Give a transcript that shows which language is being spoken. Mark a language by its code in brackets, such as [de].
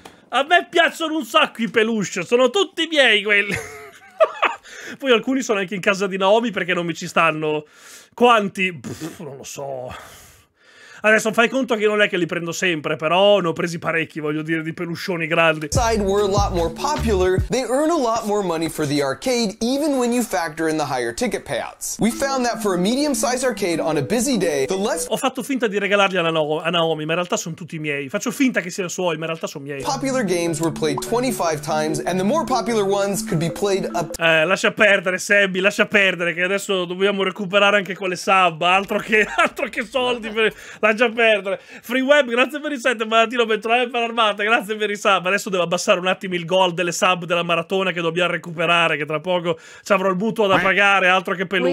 [it] A me piacciono un sacco i peluche, sono tutti miei quelli. Poi alcuni sono anche in casa di Naomi perché non mi ci stanno. Quanti? Pff, non lo so. Adesso fai conto che non è che li prendo sempre, però ne ho presi parecchi, voglio dire, di peluscioni grandi. [en] Side were a lot more popular, they earn a lot more money for the arcade even when you factor in the higher ticket payouts. We found that for a medium size arcade on a busy day, the less... [it] Ho fatto finta di regalarli a Naomi, ma in realtà sono tutti miei. Faccio finta che siano suoi, ma in realtà sono miei. [en] Popular games were played 25 times and the more popular ones could be played up... [it] lascia perdere, Sebby, lascia perdere, che adesso dobbiamo recuperare anche quelle sub, altro che soldi per... Lascia perdere. Free web, grazie per i 7, Martino, bentornato per l'armata, grazie per i sub. Adesso devo abbassare un attimo il goal delle sub della maratona che dobbiamo recuperare, che tra poco ci avrò il mutuo da pagare, altro che peluche.